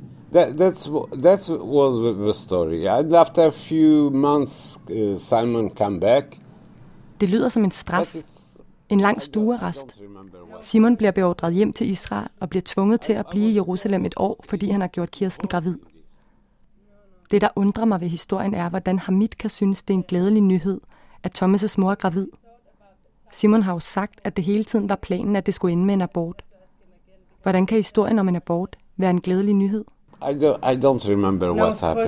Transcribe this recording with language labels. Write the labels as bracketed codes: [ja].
[en] That was the story. And after a few months, Simon came back. [da] Det lyder som en straf. En lang stuerest. Simon bliver beordret hjem til Israel og bliver tvunget til at blive i Jerusalem et år, fordi han har gjort Kirsten gravid. Det, der undrer mig ved historien, er, hvordan Hamid kan synes, det er en glædelig nyhed, at Thomas' mor er gravid. Simon har jo sagt, at det hele tiden var planen, at det skulle ende med en abort. Hvordan kan historien om en abort være en glædelig nyhed? [en] I don't remember what happened.